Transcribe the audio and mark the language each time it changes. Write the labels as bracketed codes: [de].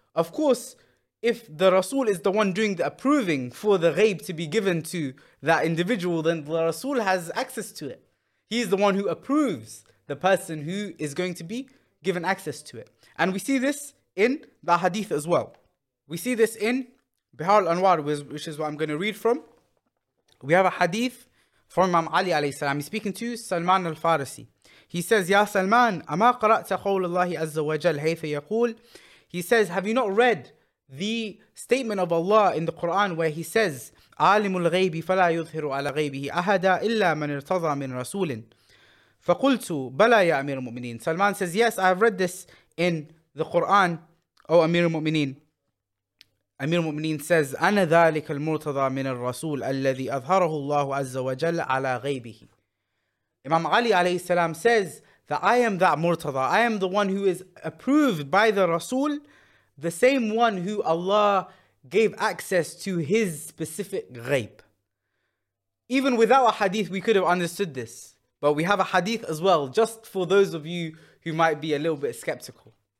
[en] Of course, if the Rasul is the one doing the approving for the ghaib to be given to that individual, then the Rasul has access to it. He is the one who approves the person who is going to be given access to it. And we see this in the hadith as well. We see this in Bihar al-Anwar, which is what I'm going to read from. We have a hadith from Imam Ali alayhi salam. He's speaking to Salman al-Farisi. He says, Ya Salman, [ar] أما قرأت قول الله عز وجل حيث يقول. [en] He says, have you not read the statement of Allah in the Quran where He says, [ar] عالم الغيب فلا يظهر على غيبه أحدا إلا من ارتضى من رسول. فقلت بلى يا أمير المؤمنين. [en] Salman says, yes, I have read this in the Quran. Oh, Amir al-Mu'mineen. Amir al-Mu'mineen says, [ar] أنا ذلك المرتضى من الرسول الذي أظهره الله عز وجل على غيبه. [en] Imam Ali alayhi salam says that I am that Murtada. I am the one who is approved by the Rasul, the same one who Allah gave access to His specific ghaib. Even without a hadith, we could have understood this. But we have a hadith as well, just for those of you who might be a little bit skeptical.